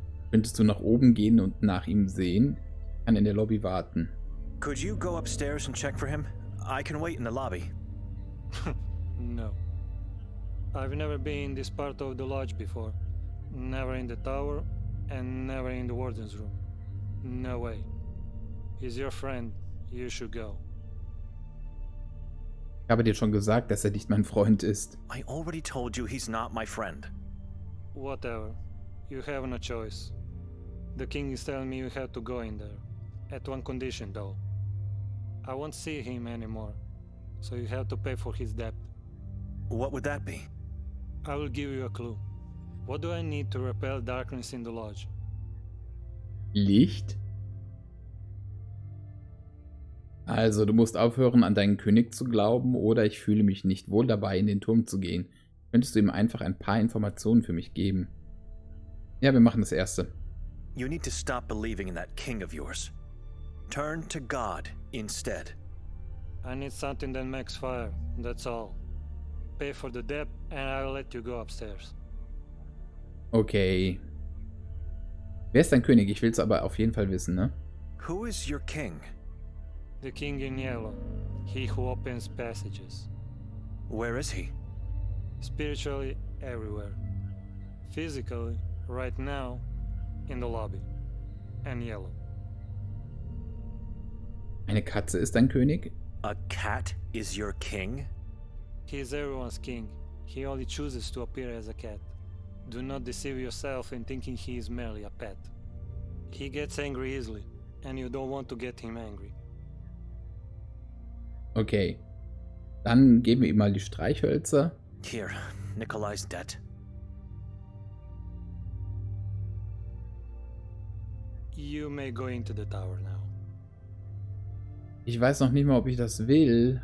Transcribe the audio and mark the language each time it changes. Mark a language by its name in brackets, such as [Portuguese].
[German] Könntest du nach oben gehen und nach ihm sehen? Ich kann in der Lobby warten. [English] Could you go upstairs and check for him? I can wait in the lobby. No. I've never been in this part of the lodge before. Never in the tower. And never in the warden's room. No way. He's your friend. You should go. [German] Ich habe dir schon gesagt, dass nicht mein Freund ist. [English] I already told you he's not my friend. Whatever. You have no choice. The king is telling me you have to go in there. At one condition, though. I won't see him anymore. So you have to pay for his debt. What would that be? I will give you a clue. What do I need to repel darkness in the lodge? [German] Licht? Also, du musst aufhören, an deinen König zu glauben, oder ich fühle mich nicht wohl dabei, in den Turm zu gehen. Könntest du ihm einfach ein paar Informationen für mich geben? Ja, wir machen das Erste. [English] You need to stop believing in that king of yours. Turn to God instead. I need something that makes fire, that's all. Pay for the debt and I'll let you go upstairs. [German] Okay. Wer ist dein König? Ich will's aber auf jeden Fall wissen, ne? [English] Who is your king? The king in yellow. He who opens passages. Where is he? Spiritually, everywhere. Physically, right now, in the lobby. And yellow. [German] Eine Katze ist dein König? [English] A cat is your king? He is everyone's king. He only chooses to appear as a cat. Do not deceive yourself in thinking he is merely a pet. He gets angry easily, and you don't want to get him angry. [German] Okay, dann geben wir ihm mal die Streichhölzer. [English] Here, Nikolai's debt. You may go into the tower now. [German] Ich weiß noch nicht mal, ob ich das will.